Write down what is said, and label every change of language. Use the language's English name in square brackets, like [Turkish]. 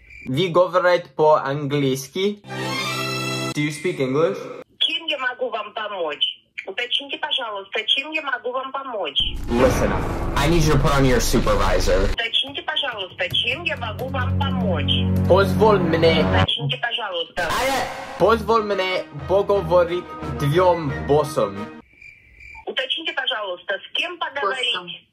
[Russian] Ви говорите по-английски? [English] Do you speak English? [Russian] Чем я могу вам помочь? Уточните, пожалуйста, чем я могу вам помочь? [English] Listen, I need you to put on your supervisor. [Russian] Уточните, пожалуйста, чем я могу вам помочь? Позволь мне... Уточните, пожалуйста. Позволь мне поговорить двум боссам. Уточните, пожалуйста, с кем поговорить?